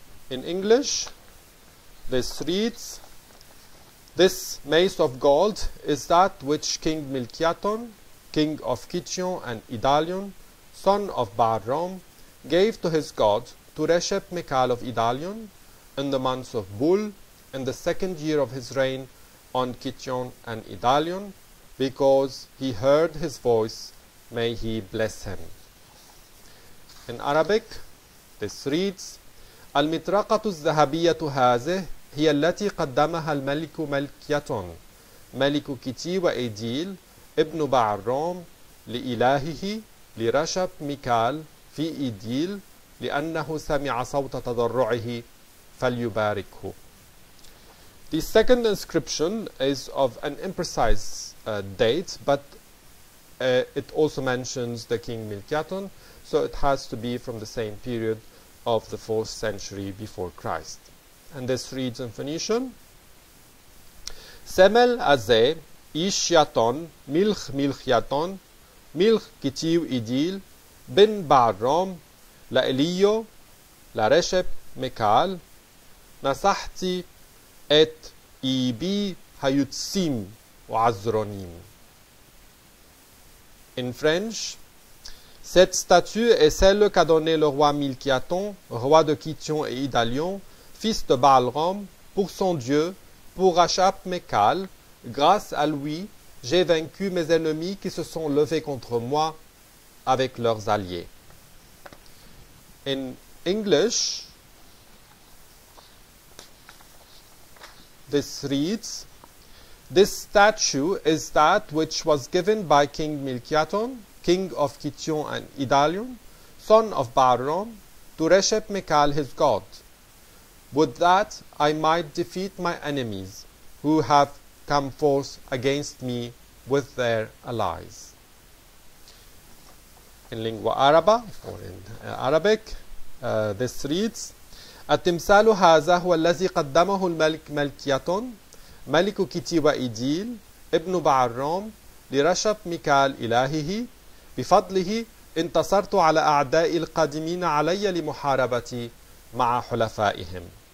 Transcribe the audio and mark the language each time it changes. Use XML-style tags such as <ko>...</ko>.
<en>In English, this reads, This mace of gold is that which King Milkyaton, king of Kition and Idalion, son of Baalrom, gave to his god, to Reshep-Mekal of Idalion, in the month of Boul, in the second year of his reign, on Kition and Idalion, because he heard his voice, may he bless him. In Arabic, this reads,</en> <ar>المطرقة الذهبية هذه هي التي قدمها الملك ملكيتون ملك كيتي وإيديل ابن بعرام لإلهه لرشب ميكال في إيديل لأنه سمع صوت تضرعه فليباركه.</ar> <en>The second inscription is of an imprecise date, but it also mentions the king Milkyaton, so it has to be from the same period of the 4th century before Christ. And this reads in Phoenician,</en> <phn>Semel aze ish yaton milch milkyaton milch kitiw idil bin Baalrom laeliyo lareshep mekal nasahti et ibi hayutsim wazronim.</phn> <en>In French,</en> <fr>cette statue est celle qu'a donné le roi Milkyaton, roi de Kition et Idalion, fils de Baalrom, pour son dieu, pour Reshep-Mekal. Grâce à lui, j'ai vaincu mes ennemis qui se sont levés contre moi avec leurs alliés.</fr> <en>In English, this reads, This statue is that which was given by King Milkyaton, king of Kition and Idalion, son of Baalrom, to Reshep-Mekal his god. Would that I might defeat my enemies, who have come forth against me with their allies. In lingua araba, or in Arabic, this reads,</en> <ar>التمثال هذا هو الذي قدمه الملك ملكيتون ملك كيتي وإيديل ابن بعرام لرشب ميكال إلهه بفضله انتصرت على أعداء القادمين علي لمحاربتي مع حلفائهم.</ar>